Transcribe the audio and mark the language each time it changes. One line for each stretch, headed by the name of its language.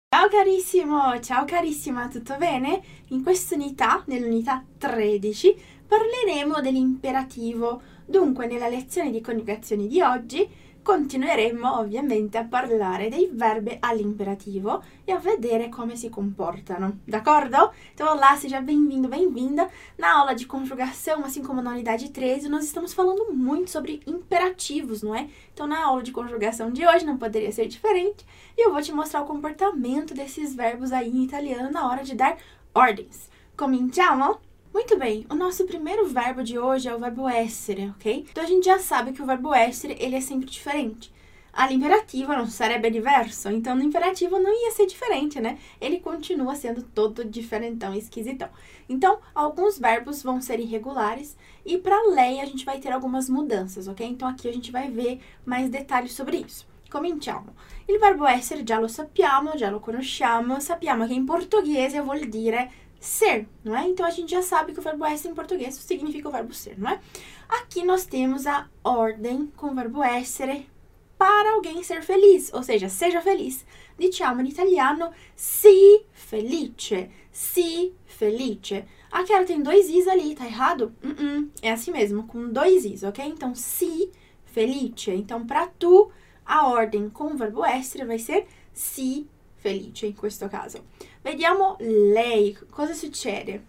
Italian: Carissimo, ciao carissima, tutto bene? In quest'unità, nell'unità 13, parleremo dell'imperativo. Dunque, nella lezione di coniugazioni di oggi, continueremo ovviamente a parlare dei verbi all'imperativo e a vedere come si comportano. D'accordo?
Portuguese: Então, olá, seja bem-vindo, bem-vinda na aula de conjugação, assim como na unidade 13. Nós estamos falando muito sobre imperativos, não é? Então, na aula de conjugação de hoje não poderia ser diferente e eu vou te mostrar o comportamento desses verbos aí em italiano na hora de dar ordens.
Italian: Cominciamo?
Portuguese: Muito bem, o nosso primeiro verbo de hoje é o verbo essere, ok? Então a gente já sabe que o verbo essere, ele é sempre diferente.
Italian: All'imperativo não sarebbe diverso,
Portuguese: então no imperativo não ia ser diferente, né? Ele continua sendo todo diferentão, esquisitão. Então, alguns verbos vão ser irregulares e para lei a gente vai ter algumas mudanças, ok? Então aqui a gente vai ver mais detalhes sobre isso.
Italian: Cominciamo. Il verbo essere già lo conosciamo, sappiamo che in portoghese vuol dire ser,
Portuguese: não é? Então a gente já sabe que o verbo essere em português significa o verbo ser, não é? Aqui nós temos a ordem com o verbo essere para alguém ser feliz, ou seja, seja feliz.
Italian: Diciamo in italiano si felice, si felice.
Portuguese: Aquela tem dois is ali, tá errado? É assim mesmo, com dois is, ok? Então si felice. Então para tu a ordem com o verbo essere vai ser si felice
Italian: in questo caso. Vediamo lei, cosa succede?